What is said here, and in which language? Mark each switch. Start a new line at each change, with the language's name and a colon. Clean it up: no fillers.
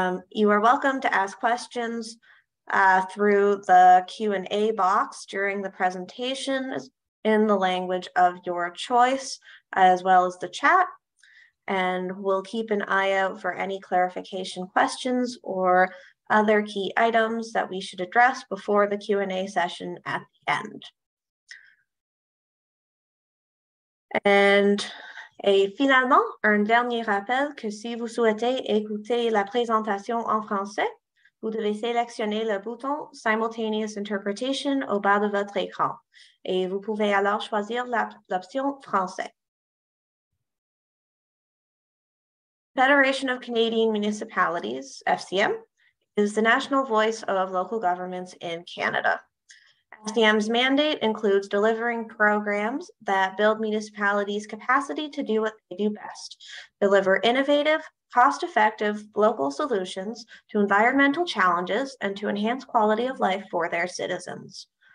English: You are welcome to ask questions through the Q&A box during the presentation in the language of your choice, as well as the chat. And we'll keep an eye out for any clarification questions or other key items that we should address before the Q&A session at the end.
French: And et finalement, un dernier rappel que si vous souhaitez écouter la présentation en français, vous devez sélectionner le bouton Simultaneous Interpretation au bas de votre écran. Et vous pouvez alors choisir l'option français.
English: Federation of Canadian Municipalities, FCM, is the national voice of local governments in Canada. FCM's mandate includes delivering programs that build municipalities' capacity to do what they do best, deliver innovative, cost-effective local solutions to environmental challenges and to enhance quality of life for their citizens.